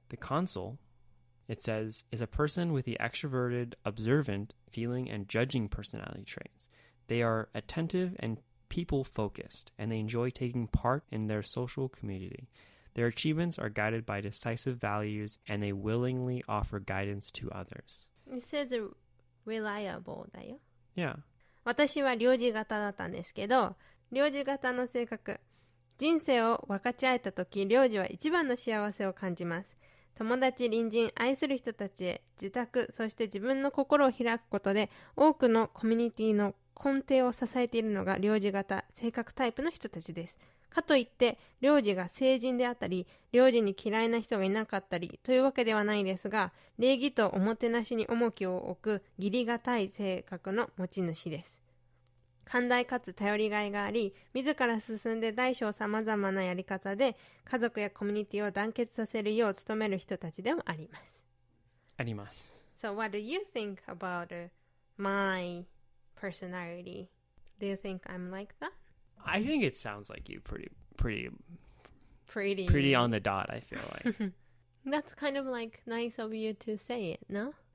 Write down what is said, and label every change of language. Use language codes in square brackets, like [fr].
[en] The console, it says, is a person with the extroverted, observant, feeling, and judging personality traits. They are attentive and people-focused, and they enjoy taking part in their social community. Their achievements are guided by decisive values, and they willingly offer guidance to others. It says reliable, [ja] だよ? [en] Yeah. [ja] 私は領事型だったんですけど、領事型の性格、人生を分かち合えたとき、領事は一番の幸せを感じます。友達、隣人、愛する人たちへ、自宅、そして自分の心を開くことで、多くのコミュニティの根底を支えているのが領事型、性格タイプの人たちです。かといって、領事が成人であったり、領事に嫌いな人がいなかったりというわけではないですが、礼儀とおもてなしに重きを置く義理がたい性格の持ち主です。寛大かつ頼りがいがあり、自ら進んで大小さまざまなやり方で家族やコミュニティを団結させるよう努める人たちでもあります。あります。 [en] So what do you think about my personality? Do you think I'm like that? I think it sounds like you pretty on the dot, I feel like. That's kind of like nice of you to say it, no?